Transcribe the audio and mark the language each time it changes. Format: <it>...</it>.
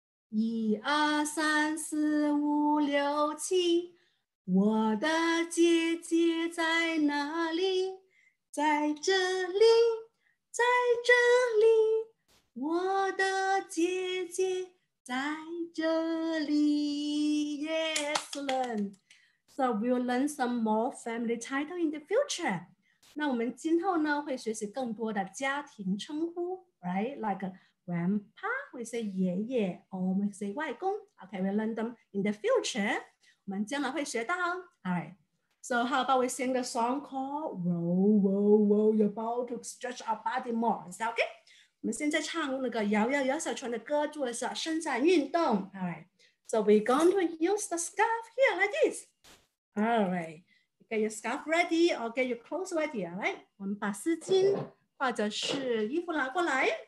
<zh>一二三四五六七，我的姐姐在哪里？在这里，在这里，我的姐姐在这里。</zh> <en>Yes, learn. So we'll learn some more family title in the future.</en> <zh>那我们今后呢会学习更多的家庭称呼 ，right?</zh> <en>Like grandpa, we say 爷爷 ，or we say 外公。 Okay, we'll learn them in the future.</en> <zh>我们将来会学到。</zh> <en>All right. So how about we sing the song called Row, Row, Row, You're about to stretch our body more. Is that okay?</en> <zh>我们现在唱那个摇摇摇小船的歌，做的是伸展运动。</zh> <en>All right. So we're going to use the scarf here like this. All right. Get your scarf ready or get your clothes ready. All right.</en> <zh>我们把丝巾或者是衣服拿过来。</zh>